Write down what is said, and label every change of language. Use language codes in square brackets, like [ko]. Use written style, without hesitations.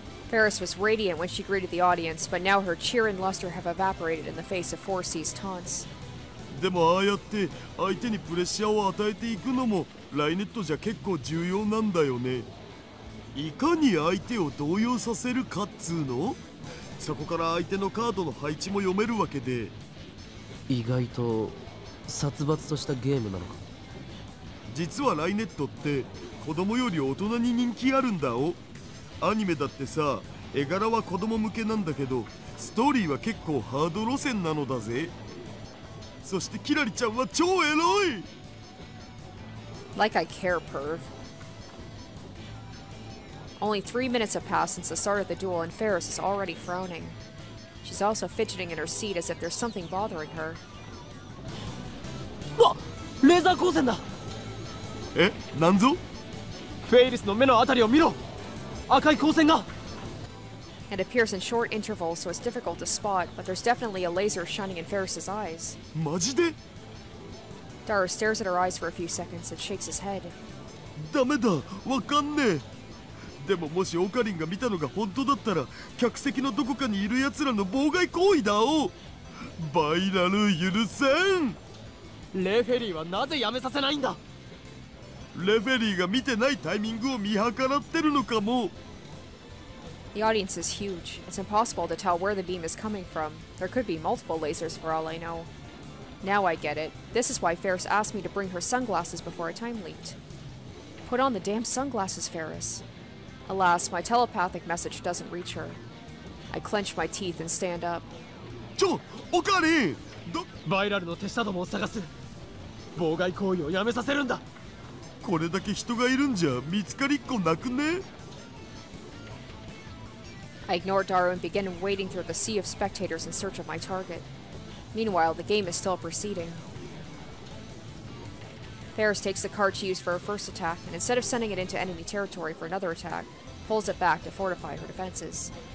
[en] Faris was radiant when she greeted the audience, but now her cheer and luster have evaporated in the face of 4C's taunts. [ja] でもああやって相手にプレッシャーを与えていくのもライネットじゃ結構重要なんだよね。いかに相手を動揺させるかっつうの。そこから相手のカードの配置も読めるわけで。意外と殺伐としたゲームなのか。実はライネットって子供より大人に人気あるんだお。アニメだってさ、絵柄は子供向けなんだけど、ストーリーは結構ハード路線なのだぜ。そしてキラリちゃんは超エロい。 [en] Like I care, perv. Only 3 minutes have passed since the start of the duel and Faris is already frowning. She's also fidgeting in her seat as if there's something bothering her. [ja] わっ、レーザー光線だ。え、なんぞ。フェイリスの目のあたりを見ろ、赤い光線が。 [en] It appears in short intervals, so it's difficult to spot, but there's definitely a laser shining in Faris's eyes. [ja] マジで。 [en] Dara stares at her eyes for a few seconds and shakes his head. [ja] ダメだ、わかんねえ。でももしオカリンが見たのが本当だったら、客席のどこかにいる奴らの妨害行為だお。バイラル許せん。レフェリーはなぜ辞めさせないんだ。レフェリーが見てないタイミングを見計らってるのかも。 [en] The audience is huge. It's impossible to tell where the beam is coming from. There could be multiple lasers for all I know. Now I get it. This is why Faris asked me to bring her sunglasses before a time leaked. Put on the damn sunglasses, Faris. Alas, my telepathic message doesn't reach her. I clench my teeth and stand up. [ja] ちょ、オカリン。バイラルの手下どもを探す。妨害行為をやめさせるんだ。これだけ人がいるんじゃ見つかりっこなくね。 [en] I ignore Daru and begin wading through the sea of spectators in search of my target. Meanwhile, the game is still proceeding. Faris takes the card she used for her first attack and instead of sending it into enemy territory for another attack, pulls it back to fortify her defenses.